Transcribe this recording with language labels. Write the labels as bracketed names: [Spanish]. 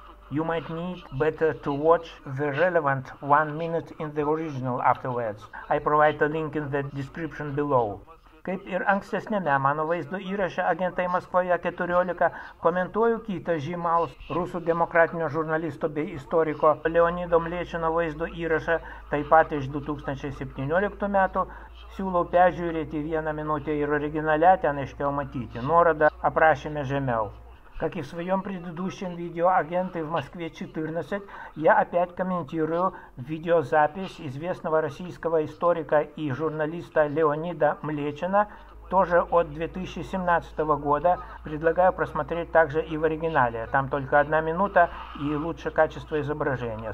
[English] You might need better to watch the relevant 1 minute in the original afterwards. I provide a link in the description below. [Lithuanian] Kaip ir ankstesnėme mano vaizdo įraše agentai Maskvoje 14, komentuoju kitą žymaus rusų demokratinio žurnalisto bei istoriko Leonido Mlečino vaizdo įrašą, taip pat iš 2017 metų, siūlau peržiūrėti vieną minutę ir originale ten aiškiau matyti, nuorodą aprašėme žemiau. [Russian] Как и в своем предыдущем видео «Агенты в Москве 14», я опять комментирую видеозапись известного российского историка и журналиста Леонида Млечина, тоже от 2017 года. Предлагаю просмотреть также и в оригинале. Там только 1 минута и лучше качество изображения.